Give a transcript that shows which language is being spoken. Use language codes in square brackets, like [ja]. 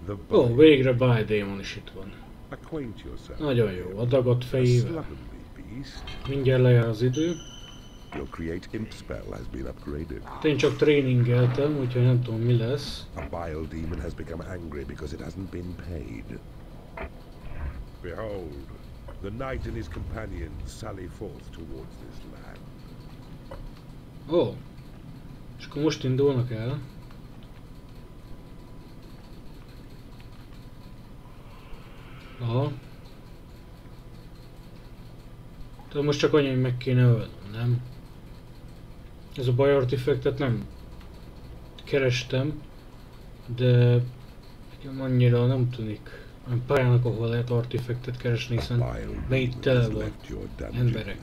[hu] ó, végre By Demon is itt van. Nagyon jó, a dagadt fejével. Mindjárt lejár az idő. [en] Your create imp spell has been upgraded. [hu] Én csak tréningeltem, úgyhogy nem tudom, mi lesz. [en] A vile demon has become angry because it hasn't been paid. Behold, the knight and his companions sally forth towards this land. [hu] Ó, és akkor most indulnak el. Aha. Tehát most csak annyi, hogy meg kéne ölnöm, nem? Ez a baj artifektet nem kerestem, de annyira nem tűnik pályának, ahol lehet artifektet keresni, hiszen mely tele van emberek.